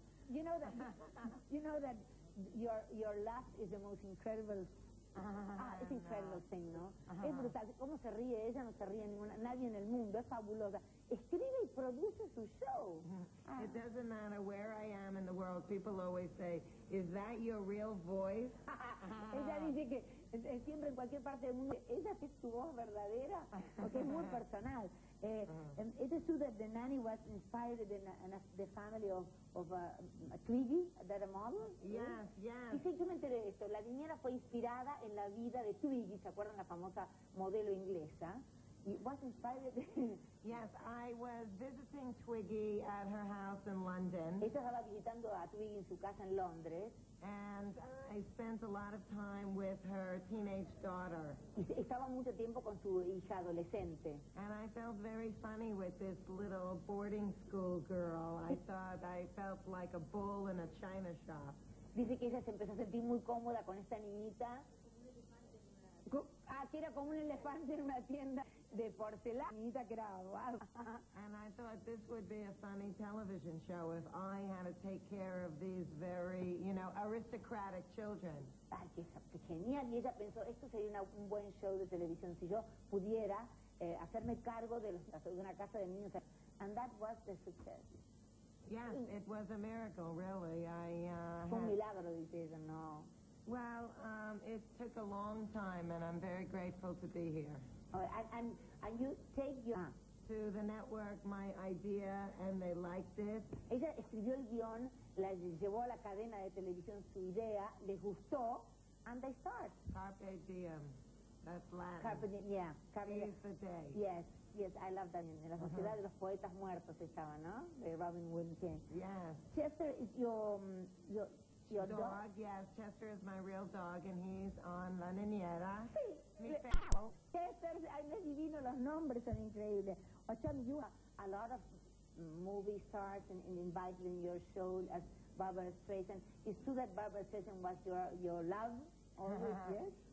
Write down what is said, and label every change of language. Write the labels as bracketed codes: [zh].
[en] You know that your laugh is the most incredible. [es] Es [en] incredible thing, [es] ¿no? Es brutal. ¿Cómo se ríe ella? No se ríe ninguna, nadie en el mundo. Es fabulosa. Escribe y produce su show. [en] It doesn't matter where I am in the world. People always say, "Is that your real voice?" [es] Ella dice que siempre en cualquier parte del mundo, esa es tu voz verdadera, porque es muy personal. [en] Is it true that the nanny was inspired in the family of a Twiggy, that a model? Yes, yes. [es] Y sí, yo me enteré de esto. La niñera fue inspirada en la vida de Twiggy, ¿se acuerdan? La famosa modelo inglesa. [en] Was inspired. Yes, I was visiting Twiggy at her house in London. [es] Ella estaba visitando a Twiggy en su casa en Londres. [en] And I spent a lot of time with her teenage daughter. Estaba mucho tiempo con su hija adolescente. And I felt very funny with this little boarding school girl. I felt like a bull in a china shop. [es] Dice que ella se empezó a sentir muy cómoda con esta niñita. Que era como un elefante en una tienda de porcelana. [en] And I thought this would be a funny television show if I had to take care of these very, you know, aristocratic children. [es] Ay, qué genial. Y ella pensó, esto sería un buen show de televisión si yo pudiera hacerme cargo de una casa de niños. [en] And that was the success. Yes, it was a miracle, really. [es] Fue un milagro, dice ella, no. [en] Well, it took a long time, and I'm very grateful to be here. Oh, and you take your... To the network, my idea, and they liked it. [es] Ella escribió el guión, la llevó a la cadena de televisión su idea, le gustó, [en] and they start. Carpe diem. That's Latin. Carpe diem, yeah. Carpe diem. Seize the day. Yes. Yes, I love that. [es] En la sociedad de los poetas muertos estaba, ¿no? De Robin Williams. [en] Yes. Chester is your dog, yes. Chester is my real dog, and he's on La Niñera. [es] Sí. Chester, ay, me divino, los nombres son increíbles. [en] Ocho, you have a lot of movie stars and invited in your show as Barbara Streisand. It's true that Barbara Streisand was your love, always, yes?